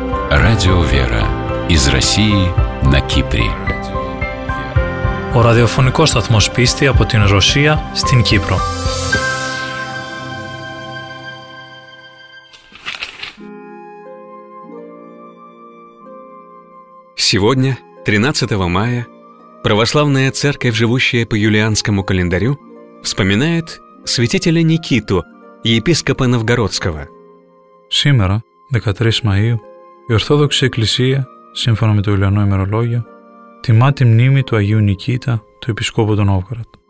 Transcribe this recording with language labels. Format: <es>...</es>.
<ru>Радио «Вера» из России на Кипре.</ru> <el>Ο ραδιοφωνικός σταθμός πίστη από την Ρωσία στην Κύπρο.</el> <ru>Сегодня, 13 мая, православная церковь, живущая по юлианскому календарю, вспоминает святителя Никиту, епископа Новгородского. Сегодня, 13 мая,</ru> <el>η Ορθόδοξη Εκκλησία, σύμφωνα με το Ιουλιανό ημερολόγιο, τιμά τη μνήμη του Αγίου Νικήτα, του Επισκόπου του Νόβγοροντ.</el>